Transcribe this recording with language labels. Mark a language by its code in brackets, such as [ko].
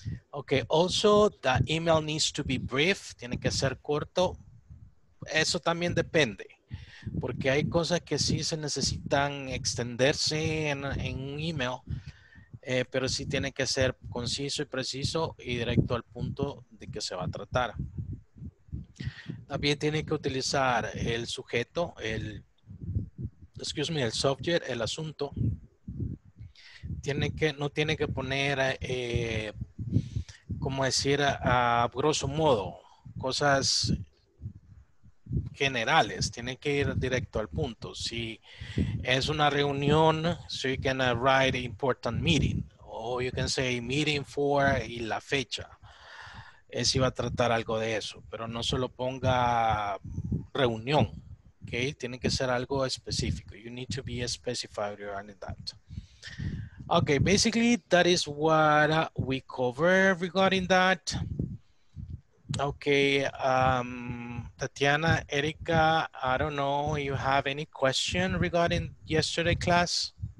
[en] Okay, also, the email needs to be brief. [es] Tiene que ser corto. Eso también depende. Porque hay cosas que sí se necesitan extenderse en un email. Pero sí tiene que ser conciso y preciso y directo al punto de que se va a tratar. También tiene que utilizar el sujeto, el subject, el asunto. No tiene que poner, como decir, a grosso modo, cosas generales. Tiene que ir directo al punto. Si es una reunión, [en] so you can write important meeting. O you can say meeting for [es] y la fecha. Es iba a tratar algo de eso, pero no solo ponga reunión, okay? Tiene que ser algo específico. [en] You need to be specified regarding that. Okay, basically that is what we cover regarding that. Okay, Tatiana, Erika, I don't know if you have any question regarding yesterday class.